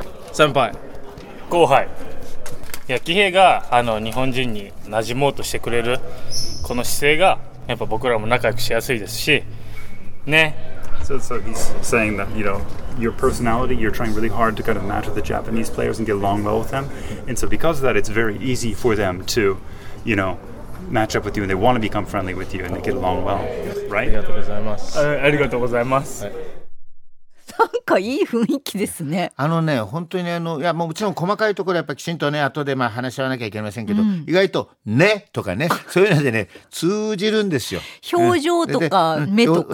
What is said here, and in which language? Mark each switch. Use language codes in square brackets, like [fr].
[ja] 先輩、後輩、いや、キヘイが日本人に馴染もうとしてくれるこの姿勢がやっぱ僕らも仲良くしやすいですしね。 [en] So he's saying that, you know, your personality, you're trying really hard to kind of match with the Japanese players and get along well with them. And so because of that, it's very easy for them to, you know, match up with you and they want to become friendly with you and they get along well, right? [ja] ありがとうございます。ありがとうございます。なんかいい雰囲気ですね。本当にもちろん細かいところはやっぱきちんとね、後で話し合わなきゃいけませんけど、意外とねとかね、そういうのでね通じるんですよ。表情とか目とかね、